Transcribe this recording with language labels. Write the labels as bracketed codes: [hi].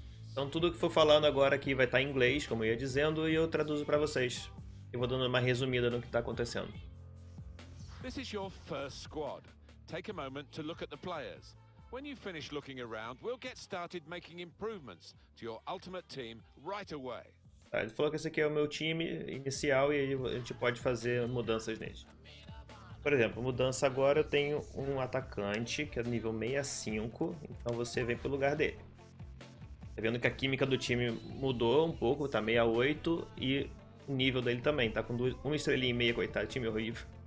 [pt] Então tudo que for falando agora aqui vai estar em inglês, como eu ia dizendo, e eu traduzo pra vocês. Eu vou dando uma resumida no que tá acontecendo. [en] This is your first squad. Take a moment to look at the players. When you finish looking around, we'll get started making improvements to your ultimate team right away. [pt] Tá, ele falou que esse aqui é o meu time inicial e aí a gente pode fazer mudanças nele. Por exemplo, mudança agora, eu tenho um atacante que é nível 65, então você vem pro lugar dele. Tá vendo que a química do time mudou um pouco, tá 68 e o nível dele também, tá com uma estrelinha e meia, coitado, time horrível.